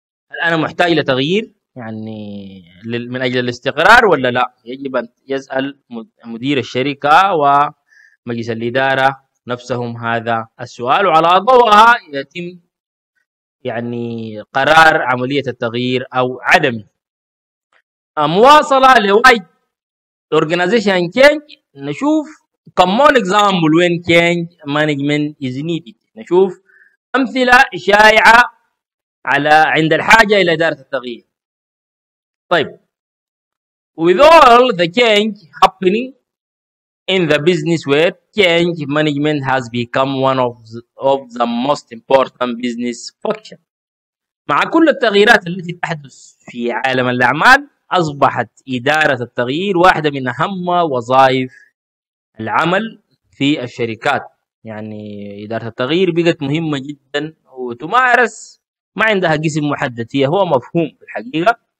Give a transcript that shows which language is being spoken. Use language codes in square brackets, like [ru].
[ar] هل أنا محتاج إلى تغيير يعني من أجل الاستقرار ولا لا؟ يجب أن يسأل مدير الشركة ومجلس الإدارة نفسهم هذا السؤال، وعلى ضوءها يتم يعني قرار عملية التغيير أو عدم. مواصلة لواي organization change، نشوف [en] common example when change management is needed، [ar] نشوف أمثلة شائعة على عند الحاجة إلى إدارة التغيير. طيب [en] with all the change happening in the business world, change management has become one of the most important business function. [ar] مع كل التغييرات التي تحدث في عالم الأعمال، أصبحت إدارة التغيير واحدة من أهم وظائف العمل في الشركات. يعني إدارة التغيير بقت مهمة جدا وتمارس، ما عندها قسم محدد، هي هو مفهوم الحقيقة.